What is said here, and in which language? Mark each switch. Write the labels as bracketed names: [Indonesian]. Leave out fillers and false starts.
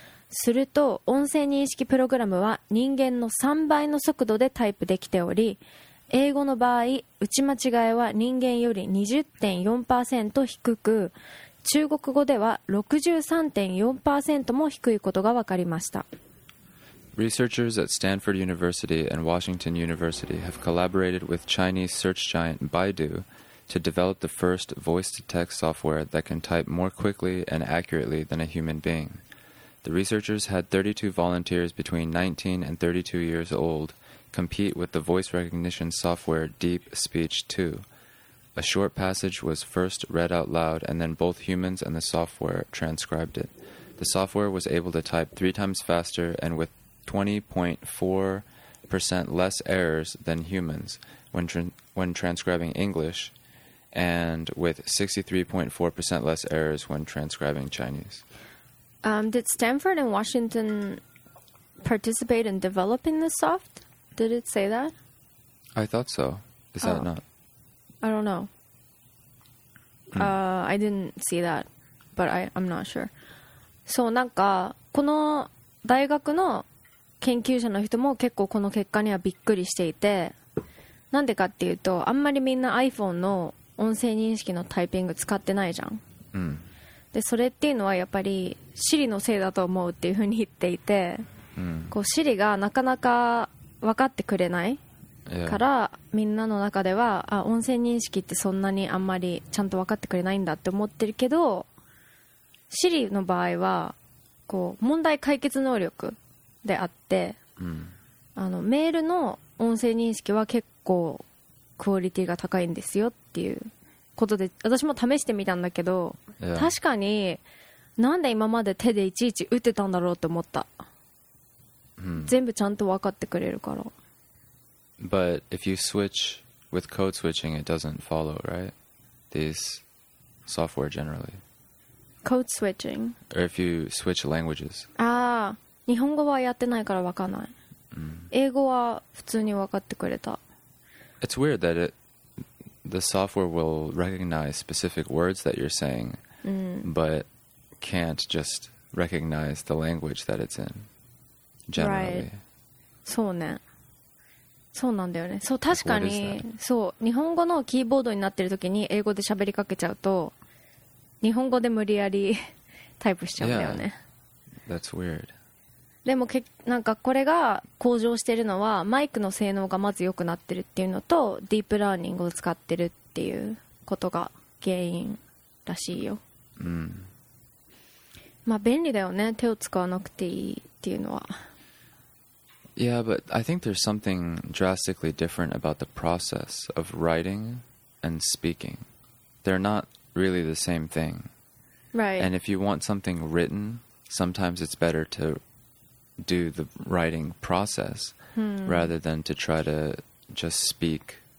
[Japanese] すると音声認識プログラムは人間の3倍の速度でタイプできており、英語の場合打ち間違いは人間より 20.4% 低く、中国語では 63.4% も低いことが分かりました。 [English] Researchers at Stanford University and Washington University have collaborated with Chinese search giant Baidu to develop the first voice-to-text software that can type more quickly and accurately than a human being. The researchers had 32 volunteers between 19 and 32 years old compete with the voice recognition software Deep Speech 2. A short passage was first read out loud, and then both humans and the software transcribed it. The software was able to type 3 times faster and with 20.4% less errors than humans when transcribing English, and with 63.4% less errors when transcribing Chinese. Did Stanford and Washington participate in developing the soft? Did it say that? I thought so. Is that not? I don't know. I didn't see that, but I'm not sure. [Japanese] そう、なんかこの大学の研究者の人も結構この結果にはびっくりしていて、なんでかっていうと、あんまりみんな iPhone の音声認識のタイピング使ってないじゃん。でそれっていうのはやっぱり Siri のせいだと思うっていうふうに言っていて、こう Siri がなかなか分かってくれないから、みんなの中では、あ、音声認識ってそんなにあんまりちゃんと分かってくれないんだって思ってるけど、 Siri の場合はこう問題解決能力であって、メールの音声認識は結構クオリティが高いんですよっていうことで、私も試してみたんだけど、確かになんで今まで手でいちいち打ってたんだろうって思った、全部ちゃんと分かってくれるから。 [English] But if you switch with code switching, it doesn't follow, right? These software generally. Code switching? Or if you switch languages. [Japanese] ああ、日本語はやってないから分かんない。英語は普通に分かってくれた。 [English] It's weird that the software will recognize specific words that you're saying, but can't just recognize the language that it's in, generally. Right. [Japanese] そうね。そうなんだよね。そう、確かに、そう、日本語のキーボードになってる時に英語で喋りかけちゃうと日本語で無理やりタイプしちゃうんだよね。 [English] Yeah, that's weird. [Japanese] でもなんかこれが向上してるのはマイクの性能がまず良くなってるっていうのと、ディープラーニングを使ってるっていうことが原因らしいよ。まあ便利だよね、手を使わなくていいっていうのは。 [English] Yeah, but I think there's something drastically different about the process of writing and speaking. They're not really the same thing. Right. And if you want something written, sometimes it's better to do the writing process rather than to try to just speak.